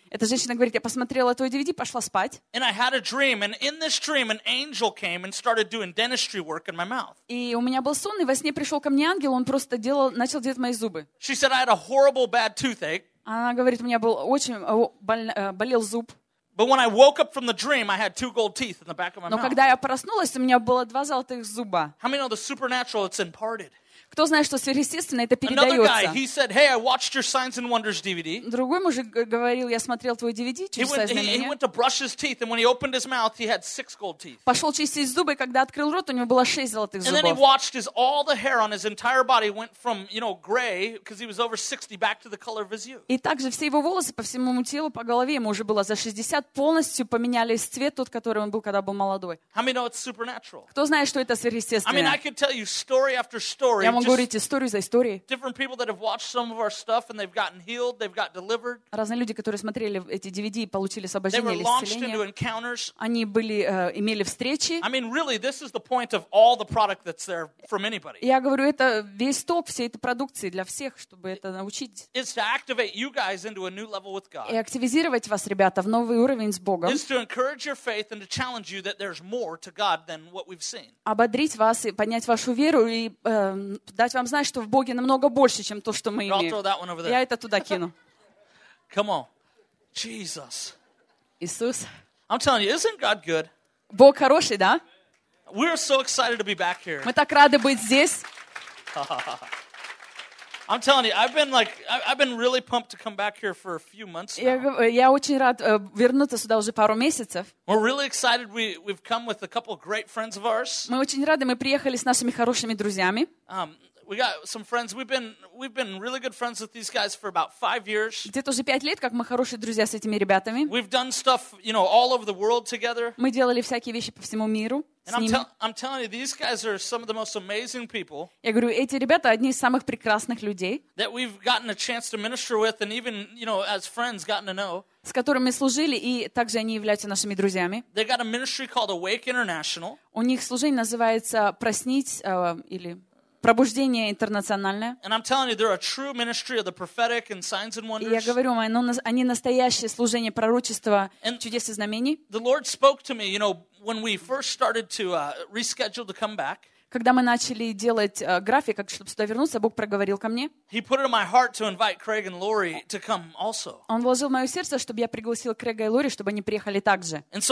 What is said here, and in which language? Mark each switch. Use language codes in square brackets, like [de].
[ru] Эта женщина говорит, я посмотрела твой DVD, пошла спать. И у меня был сон, и во сне пришел ко мне ангел, он просто начал делать мои зубы. [en] She said, I had a horrible, bad toothache. [ru] Она говорит, у меня был очень болел зуб. [en] But when I woke up from the dream, I had 2 gold teeth in the back of my [ru] Но [en] mouth. [ru] Но когда я проснулась, у меня было 2 золотых зуба. [en] How many know the supernatural, it's imparted? [ru] Кто знает, что сверхъестественное это передается? [en] Another guy, he said, "Hey, I watched your Signs and Wonders DVD." [ru] Другой мужик говорил, я смотрел твой DVD, чудеса и знамения. [en] He went to brush his teeth, and when he opened his mouth, he had 6 gold teeth. [ru] Пошел чистить зубы, когда открыл рот, у него было 6 золотых зубов. [en] And then he watched as all the hair on his entire body went from, you know, gray because he was over 60 back to the color of his youth. [ru] И также все его волосы по всему телу, по голове ему уже было за 60 полностью поменялись цвет тот, который он был, когда был молодой. [en] How many know it's supernatural? [ru] Кто знает, что это сверхъестественное? [en] I mean, I could tell you story after story. [ru] Я могу говорить историю за историей. [en] Different people that have watched some of our stuff and they've gotten healed, they've got delivered. [ru] Разные люди, которые смотрели эти DVD и получили освобождение или исцеление. Они были имели встречи. [en] I mean, really, this is the point of all the product that's there from anybody. [ru] Я говорю, это весь толк всей этой продукции для всех, чтобы это научить. [en] It's to activate you guys into a new level with God. [ru] И активизировать вас, ребята, в новый уровень с Богом. [en] It's to encourage your faith and to challenge you that there's more to God than what we've seen. [ru] Ободрить вас и поднять вашу веру и дать вам знать, что в Боге намного больше, чем то, что мы имеем. Я это туда кину. [en] Come on. Jesus. [ru] Иисус. [en] I'm telling you, isn't God good? [ru] Бог хороший, да? [en] We are so excited to be back here. [ru] Мы так рады быть здесь. [en] I'm telling you, I've been really pumped to come back here for a few months now. [ru] Я очень рад вернуться сюда уже пару месяцев. [en] We're really excited. We've come with a couple great friends of ours. [ru] Мы очень рады. Мы приехали с нашими хорошими друзьями. [en] We got some friends. We've been really good friends with these guys for about 5 years. [ru] Где-то уже 5 лет, как мы хорошие друзья с этими ребятами. [en] We've done stuff, you know, all over the world together. [ru] Мы делали всякие вещи по всему миру. [en] I'm telling you, these guys are some of the most amazing people. [ru] Я говорю, эти ребята одни из самых прекрасных людей. [en] That we've gotten a chance to minister with, and even, you know, as friends, gotten to know. [ru] с которыми служили, и также они являются нашими друзьями. [en] They got a ministry called Awake International. [ru] У них служение называется «Проснить» или «Пробуждение интернациональное». [en] And I'm telling you, they're a true ministry of the prophetic and signs and wonders. [ru] И я говорю вам, они настоящее служение пророчества чудес и знамений. [en] The Lord spoke to me, you know, when we first started to reschedule to come back. [ru] Когда мы начали делать график, как чтобы сюда вернуться, Бог проговорил ко мне. Он вложил в мое сердце, чтобы я пригласил Крейга и Лори, чтобы они приехали также.